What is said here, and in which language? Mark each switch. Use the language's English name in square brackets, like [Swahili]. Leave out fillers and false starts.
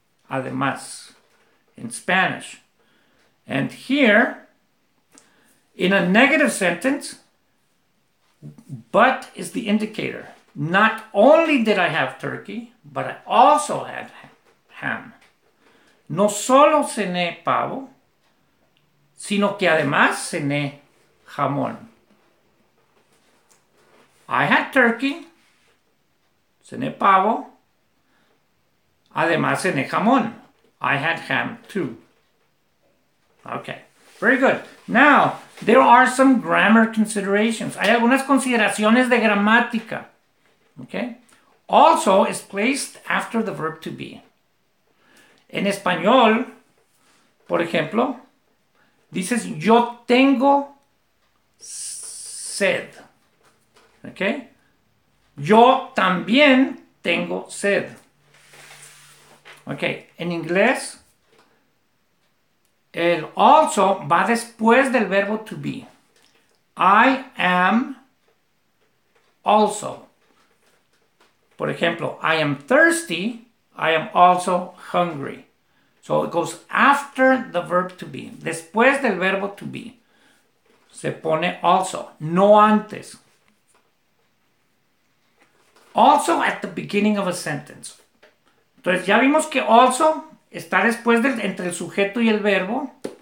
[English] Además in Spanish. And here, in a negative sentence, but is the indicator. Not only did I have turkey, but I also had ham. [Spanish] No solo cené pavo, sino que además cené jamón. [English] I had turkey, [Spanish] cené pavo, además cené jamón. [English] I had ham too. Okay, very good. Now, there are some grammar considerations. [Spanish] Hay algunas consideraciones de gramática. [English] Okay. Also is placed after the verb to be. [Spanish] En español, por ejemplo, dices yo tengo sed. Okay. Yo también tengo sed. Okay. En inglés, el also va después del verbo to be. [English] I am also. [Spanish] Por ejemplo, [English] I am thirsty, I am also hungry. So it goes after the verb to be. [Spanish] Después del verbo to be, se pone also, no antes. [English] Also at the beginning of a sentence. [Spanish] Entonces ya vimos que also está después del, entre el sujeto y el verbo.